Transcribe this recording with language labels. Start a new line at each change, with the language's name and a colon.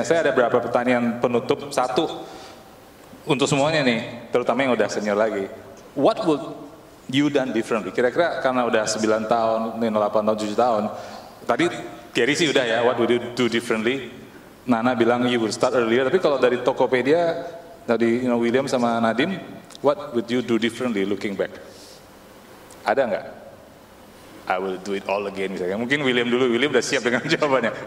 Indonesian: Saya ada beberapa pertanyaan penutup satu untuk semuanya nih, terutama yang udah senior lagi.
English: What would you done differently?
Indonesian: Kira-kira karena udah 9 tahun, 8 tahun, 7 tahun. Tadi Gaery sih udah ya,
English: what would you do differently?
Indonesian: Nana bilang
English: you would start earlier,
Indonesian: tapi kalau dari Tokopedia, dari William sama Nadiem,
English: what would you do differently looking back?
Indonesian: Ada enggak?
English: I will do it all again
Indonesian: misalnya. Mungkin William dulu, William udah siap dengan jawabannya.